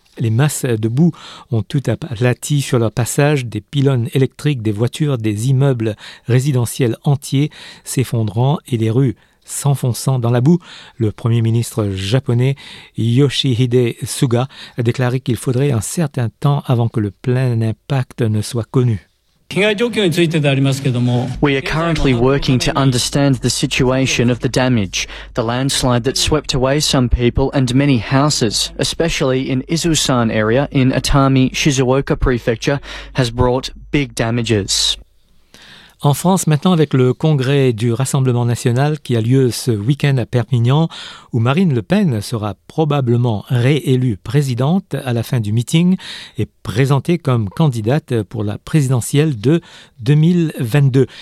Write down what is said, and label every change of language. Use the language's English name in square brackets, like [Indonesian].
[French] Les masses de boue ont tout aplati sur leur passage, des pylônes électriques, des voitures, des immeubles résidentiels entiers s'effondrant et les rues s'enfonçant dans la boue. Le Premier ministre japonais Yoshihide Suga a déclaré qu'il faudrait un certain temps avant que le plein impact ne soit connu. [English] We are currently working to understand the situation of the damage, the landslide that swept away some people and many houses, especially in Izusan area in Atami, Shizuoka Prefecture, has brought big damages. [French] En France, maintenant, avec le congrès du Rassemblement national qui a lieu ce week-end à Perpignan, où Marine Le Pen sera probablement réélue présidente à la fin du meeting et présentée comme candidate pour la présidentielle de 2022.